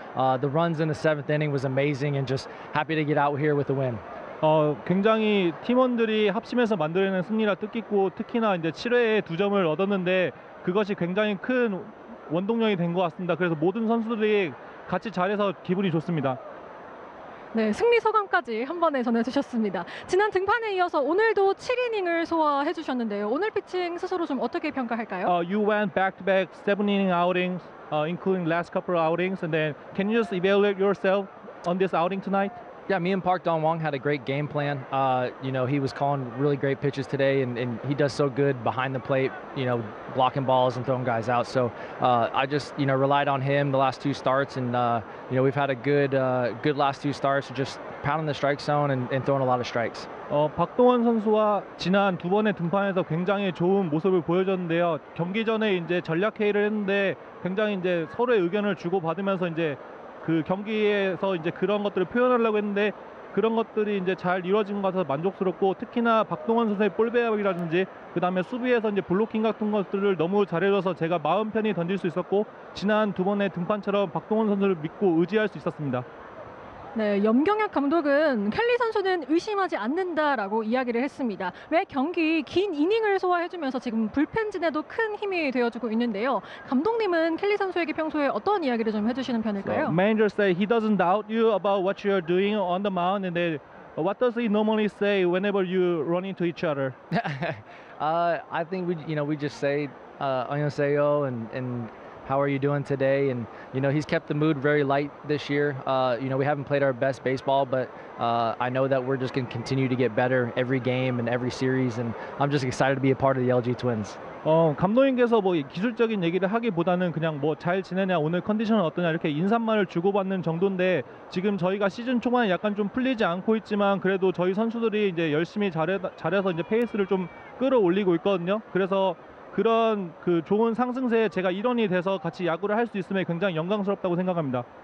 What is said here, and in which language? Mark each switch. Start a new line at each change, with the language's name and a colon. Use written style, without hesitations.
English: The runs in the seventh inning was amazing and just happy to get out here with the win.
Korean: 굉장히 팀원들이 합심해서 만들어낸 승리라 뜻깊고 특히나 이제 7회에 두 점을 얻었는데 그것이 굉장히 큰 원동력이 된 것 같습니다. 그래서 모든 선수들이 같이 잘해서 기분이 좋습니다. 네, 승리 소감까지 한 번에 전해주셨습니다. 지난 등판에 이어서 오늘도 7이닝을 소화해주셨는데요. 오늘 피칭 스스로 좀 어떻게 평가할까요?
English: You went back-to-back 7-inning outings, including last couple of outings. And then, can you just evaluate yourself on this outing tonight? Yeah, me and Park Dong-Wong had a great game plan. You know, he was calling really great pitches today, and he does so good behind the plate, you know, blocking balls and throwing guys out. So I just, you know, relied on him the last two starts, and, you know, we've had a good last two starts, just pounding the strike zone and throwing a lot of strikes.
Korean: 박동원 선수와 지난 두 번의 등판에서 굉장히 좋은 모습을 보여줬는데요. 경기 전에 이제 전략 회의를 했는데 굉장히 이제 서로의 의견을 주고받으면서 이제 그 경기에서 이제 그런 것들을 표현하려고 했는데 그런 것들이 이제 잘 이루어진 것 같아서 만족스럽고 특히나 박동원 선수의 볼배합이라든지 그 다음에 수비에서 이제 블로킹 같은 것들을 너무 잘해줘서 제가 마음 편히 던질 수 있었고 지난 두 번의 등판처럼 박동원 선수를 믿고 의지할 수 있었습니다. 네, 염경혁 감독은 켈리 선수는 의심하지 않는다라고 이야기를 했습니다. 왜 경기 긴 이닝을 소화해주면서 지금 불펜진에도 큰 힘이 되어주고 있는데요. 감독님은 켈리 선수에게 평소에 어떤 이야기를 좀 해주시는 편일까요?
English: So, manager say he doesn't doubt you about what you're doing on the mound, and then what does he normally say whenever you run into each other? I think we, you know, we just say
Korean: 안녕하세요
English: and how are you doing today? And, you know, he's kept the mood very light this year. You know, we haven't played our best baseball, but I know that we're just going to continue to get better every game and every series. And I'm just excited to be a part of the LG Twins.
Korean: 감독님께서 뭐 기술적인 얘기를 하기보다는 그냥 뭐 잘 지내냐, 오늘 컨디션은 어떠냐 이렇게 인사말을 주고받는 정도인데 지금 저희가 시즌 초반에 약간 좀 풀리지 않고 있지만 그래도 저희 선수들이 이제 열심히 잘해서 이제 페이스를 좀 끌어올리고 있거든요. 그래서 그런 그 좋은 상승세에 제가 일원이 돼서 같이 야구를 할 수 있음에 굉장히 영광스럽다고 생각합니다.